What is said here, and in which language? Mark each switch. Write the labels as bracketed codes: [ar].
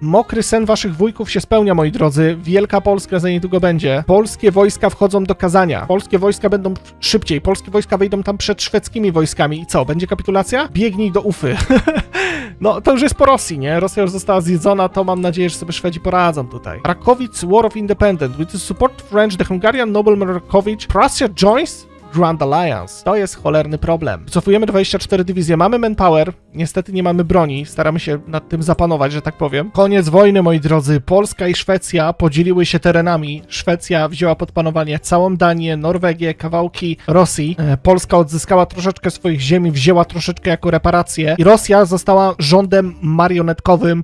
[pl] Mokry sen waszych wujków się spełnia, moi drodzy. Wielka Polska za niedługo będzie. Polskie wojska wchodzą do Kazania. Polskie wojska będą szybciej. Polskie wojska wejdą tam przed szwedzkimi wojskami. I co, będzie kapitulacja? Biegnij do Ufy. No, to już jest po Rosji, nie? Rosja już została zjedzona, to mam nadzieję, że sobie Szwedzi poradzą tutaj. [en] Rakowicz War of Independence. With the support of French, the Hungarian nobleman Rakowicz, Prussia joins Grand Alliance. [pl] To jest cholerny problem. Wycofujemy 24 dywizje, mamy manpower, niestety nie mamy broni, staramy się nad tym zapanować, że tak powiem. Koniec wojny, moi drodzy. Polska i Szwecja podzieliły się terenami. Szwecja wzięła pod panowanie całą Danię, Norwegię, kawałki Rosji. Polska odzyskała troszeczkę swoich ziemi, wzięła troszeczkę jako reparację i Rosja została rządem marionetkowym.